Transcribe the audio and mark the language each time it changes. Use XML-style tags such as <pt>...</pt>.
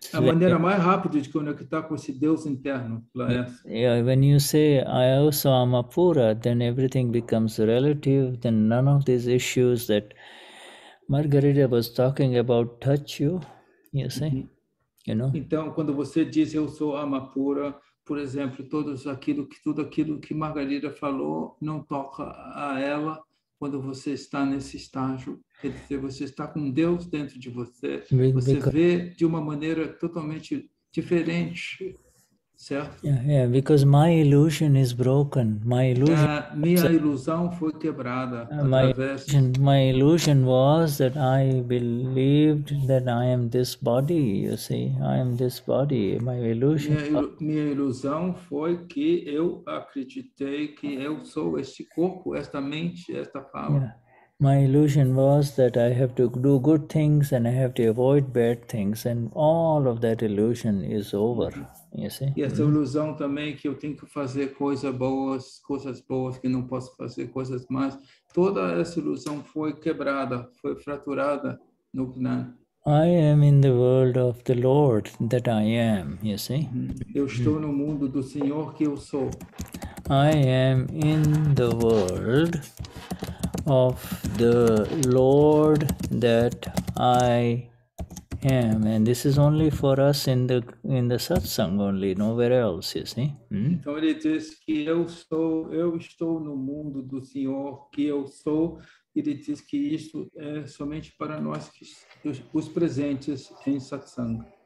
<pt>A maneira mais rápida de conectar com esse Deus interno, Laércio.</pt> <en>Yeah, when you say I also am a pura, then everything becomes relative. Then none of these issues that Margarida was talking about touch you. You see, you know.</en> <pt>Então, quando você diz eu sou alma pura, por exemplo, tudo aquilo que Margarida falou não toca a ela quando você está nesse estágio. Quer dizer, você está com Deus dentro de você. Você vê de uma maneira totalmente diferente, certo?</pt> <en>Yeah, because my illusion is broken. My illusion.</en> <pt>Minha ilusão foi quebrada.</pt> <en>My illusion was that I believed that I am this body, you see. I am this body. My illusion.</en> <pt>Minha ilusão foi que eu acreditei que eu sou este corpo, esta mente, esta fala.</pt> <en>Yeah. My illusion was that I have to do good things and I have to avoid bad things, and all of that illusion is over. You see?</en> <pt>E essa ilusão também que eu tenho que fazer coisas boas que não posso fazer coisas más. Toda essa ilusão foi quebrada, foi fraturada no Gnan.</pt> <en>I am in the world of the Lord that I am, you see?</en> <pt>Eu estou no mundo do Senhor que eu sou.</pt> <en>I am in the world of the Lord that I am, and this is only for us in the satsang only, nowhere else, you see.</en> <pt>Então ele diz que eu estou no mundo do Senhor que eu sou, e ele diz que isso é somente para nós que os presentes em satsang.</pt>